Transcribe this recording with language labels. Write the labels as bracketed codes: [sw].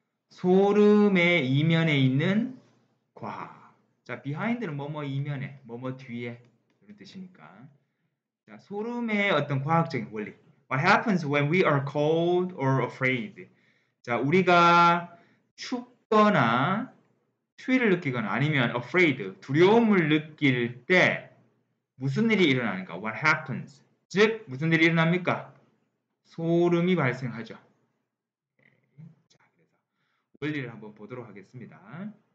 [ko] 소름의 이면에 있는 과학. 자, behind는 뭐뭐 이면에, 뭐뭐 뒤에 이런 뜻이니까. 자, 소름의 어떤 과학적인 원리. [en] What happens when we are cold or afraid? [ko] 자, 우리가 춥거나 추위를 느끼거나 아니면 afraid, 두려움을 느낄 때 무슨 일이 일어나는가? [en] What happens? [ko] 즉, 무슨 일이 일어납니까? 소름이 발생하죠. 자, 그래서 원리를 한번 보도록 하겠습니다.